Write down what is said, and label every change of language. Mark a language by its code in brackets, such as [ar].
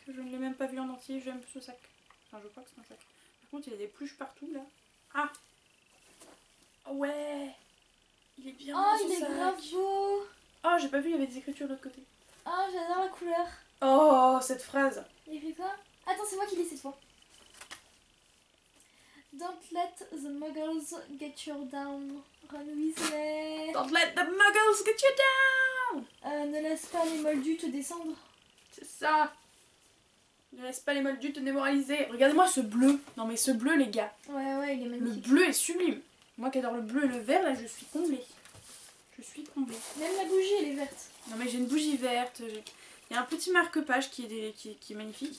[fr] Je ne l'ai même pas vu en entier, j'aime ce sac. Enfin, je crois que c'est un sac. Par contre, il y a des pluches partout, là. Ah! Ouais! Il est bien beau. Oh, il est grave beau! Oh, j'ai pas vu, il y avait des écritures de l'autre côté. Oh, j'adore la couleur. Oh, cette phrase! Il fait quoi? Attends, c'est moi qui lis cette fois. [en] Don't let the muggles get you down, Ron Weasley. Don't let the muggles get you down! [fr] Ne laisse pas les moldus te descendre. C'est ça! Ne laisse pas les moldus te démoraliser. Regardez-moi ce bleu. Non, mais ce bleu, les gars. Ouais, ouais, il est magnifique. Le bleu est sublime. Moi qui adore le bleu et le vert, là, je suis comblée. Je suis comblée. Même la bougie, elle est verte. Non, mais j'ai une bougie verte. Il y a un petit marque-page qui est magnifique.